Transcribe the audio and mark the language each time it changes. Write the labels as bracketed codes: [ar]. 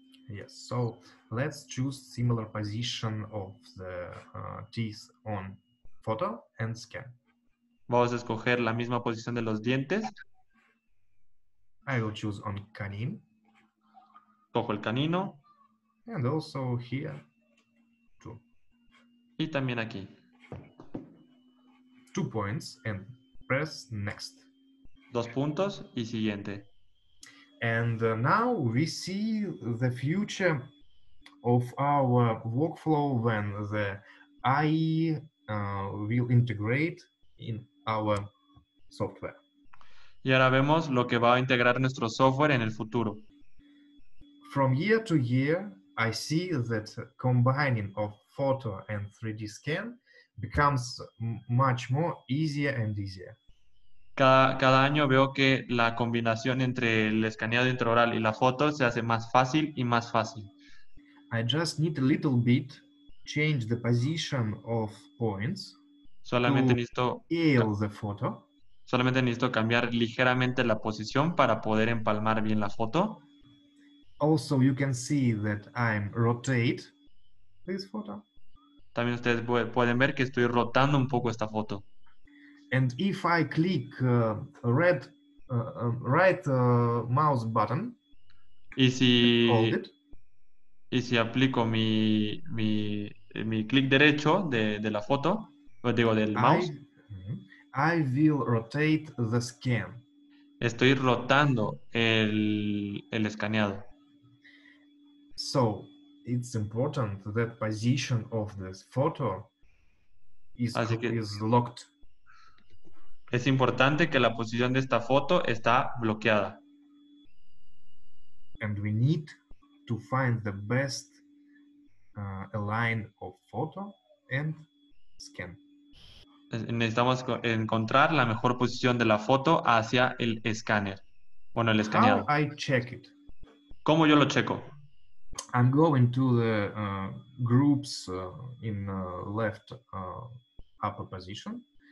[en] Yes, so let's choose similar position of the teeth on photo and scan. [es] Vamos a escoger la misma posición de los dientes. [en] I will choose on canine. [es] Cojo el canino. [en] And also here. [es] Y también aquí. [en] 2 points and press next. [es] 2 puntos y siguiente. [en] And now we see the future of our workflow when the AI will integrate in our software. [es] Y ahora vemos lo que va a integrar nuestro software en el futuro. [en] From year to year, I see that combining of photo and 3D scan becomes much more easier and easier. [es] Cada año veo que la combinación entre el escaneado intraoral y la foto se hace más fácil y más fácil. [en] I just need a little bit change the position of points. [es] Solamente necesito cambiar ligeramente la posición para poder empalmar bien la foto. [en] Also, you can see that I'm rotate this photo. [es] También ustedes pueden ver que estoy rotando un poco esta foto. [en] And if I click mouse button, [es] y si aplico mi clic derecho de la foto, digo del mouse, [en] I will rotate the scan. [es] Estoy rotando el escaneado. [en] So it's important that position of this photo is locked. [es] Es importante que la posición de esta foto está bloqueada. [en] And we need to find the best align of photo and scan. [es] Necesitamos encontrar la mejor posición de la foto hacia el escáner. Bueno, el escaneado. [en] How I check it? [es] ¿Cómo yo lo checo? [en] I'm going to the groups in left upper position.